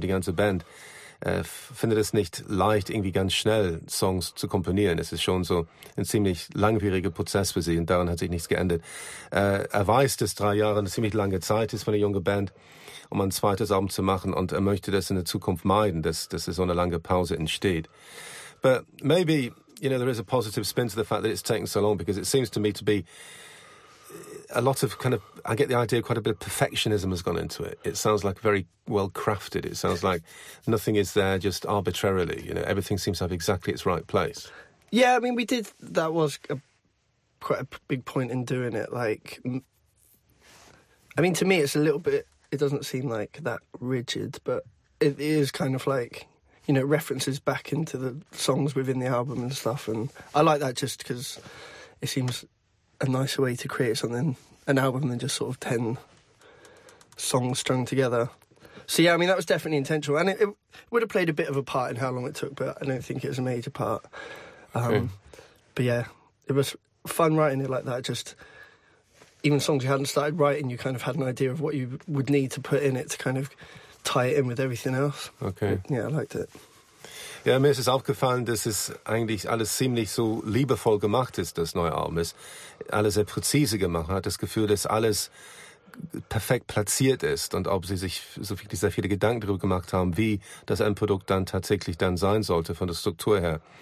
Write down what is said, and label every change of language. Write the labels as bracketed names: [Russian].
[German] Die ganze Band findet es nicht leicht, irgendwie ganz schnell Songs zu komponieren. Es ist schon so ein ziemlich langwieriger Prozess für sie. Und daran hat sich nichts geändert. Er weiß, dass 3 Jahre eine ziemlich lange Zeit ist für eine junge Band, um ein zweites Album zu machen, und er möchte das in der Zukunft meiden, dass so eine lange Pause entsteht. [English] But maybe, you know, there is a positive spin to the fact that it's taken so long, because it seems to me to be a lot of kind of, I get the idea, quite a bit of perfectionism has gone into it. It sounds like very well crafted. It sounds like nothing is there just arbitrarily, you know, everything seems to have exactly its right place. Yeah, I mean, we did, that was quite a big point in doing it. Like, I mean, to me, it's a little bit, it doesn't seem like that rigid, but it is kind of like, you know, references back into the songs within the album and stuff. And I like that just because it seems a nicer way to create something, an album, than just sort of 10 songs strung together. So, yeah, I mean, that was definitely intentional. And it would have played a bit of a part in how long it took, but I don't think it was a major part. But, yeah, it was fun writing it like that, just... Even songs you hadn't started writing, you kind of had an idea of what you would need to put in it to kind of tie it in with everything else. Okay. Yeah, I liked it. [German] Ja, mir ist es aufgefallen, dass es eigentlich alles ziemlich so liebevoll gemacht ist, das neue Album. Es ist alles sehr präzise gemacht. Man hat das Gefühl, dass alles perfekt platziert ist. Und ob sie sich so wirklich sehr viele Gedanken darüber gemacht haben, wie das Endprodukt dann tatsächlich dann sein sollte von der Struktur her.